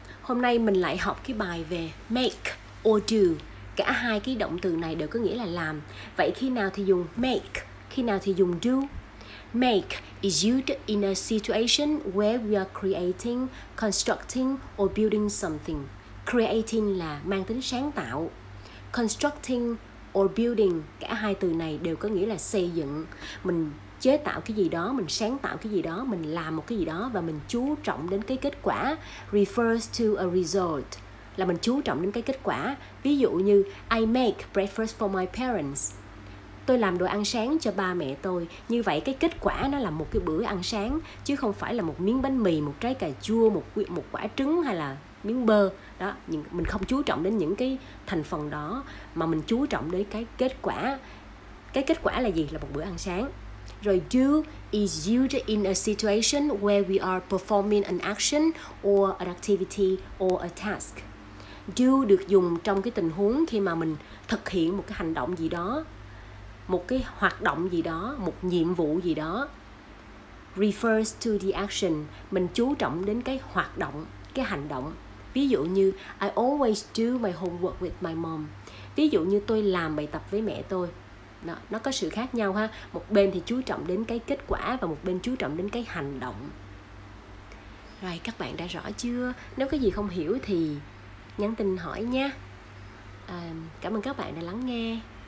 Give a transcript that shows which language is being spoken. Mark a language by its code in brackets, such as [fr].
[vi] Hôm nay mình lại học cái bài về make or do. Cả hai cái động từ này đều có nghĩa là làm. Vậy khi nào thì dùng make, khi nào thì dùng do? [en] Make is used in a situation where we are creating, constructing or building something. [vi] Creating là mang tính sáng tạo. Constructing or building, cả hai từ này đều có nghĩa là xây dựng. Mình chế tạo cái gì đó, mình sáng tạo cái gì đó, mình làm một cái gì đó và mình chú trọng đến cái kết quả. [en] Refers to a result, [vi] là mình chú trọng đến cái kết quả. Ví dụ như [en] I make breakfast for my parents. [vi] Tôi làm đồ ăn sáng cho ba mẹ tôi. Như vậy cái kết quả nó là một cái bữa ăn sáng, chứ không phải là một miếng bánh mì, một trái cà chua, một quả trứng hay là miếng bơ. Đó, mình không chú trọng đến những cái thành phần đó, mà mình chú trọng đến cái kết quả. Cái kết quả là gì? Là một bữa ăn sáng. [en] Rồi do is used in a situation where we are performing an action or an activity or a task. [vi] Do được dùng trong cái tình huống khi mà mình thực hiện một cái hành động gì đó, một cái hoạt động gì đó, một nhiệm vụ gì đó. [en] Refers to the action, [vi] mình chú trọng đến cái hoạt động, cái hành động. Ví dụ như [en] I always do my homework with my mom. [vi] Ví dụ như tôi làm bài tập với mẹ tôi. Đó, nó có sự khác nhau ha. Một bên thì chú trọng đến cái kết quả và một bên chú trọng đến cái hành động. Rồi, các bạn đã rõ chưa? Nếu có gì không hiểu thì nhắn tin hỏi nha. Cảm ơn các bạn đã lắng nghe.